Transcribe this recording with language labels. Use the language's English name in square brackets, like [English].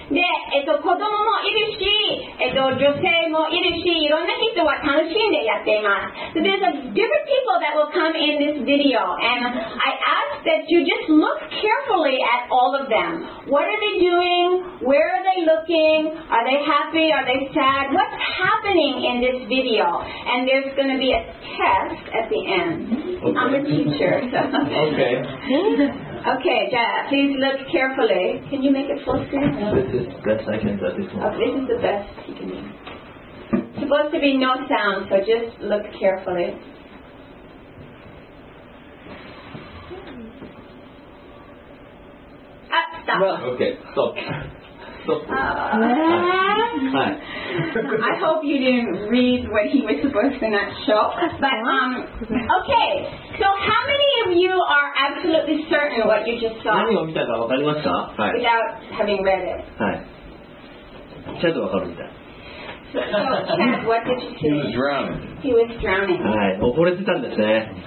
[Japanese] で、子供もいるし、女性もいるし、いろんな人は楽しんでやっています。 [English] So there's a different people that will come in this video. And I ask that you just look carefully at all of them. What are they doing? Where are they looking? Are they happy? Are they sad? What's happening in this video? And there's going to be a test at the end. Okay. I'm a teacher. Okay. Okay, Jaya, please look carefully. Can you make it full screen? This is the best I can do at this moment. Oh, this is the best you can do. Supposed to be no sound, so just look carefully. Ah, stop. Well, okay, stop. I hope you didn't read what he was supposed to not show. But okay. So how many of you are absolutely certain what you just saw? [Japanese] 何を見たか分かりました? [English] Without having read it. [Japanese] はい。ちゃんと分かるみたい。 [English] what did you see? He was drowning. He was drowning. [Japanese] はい、溺れてたんですね。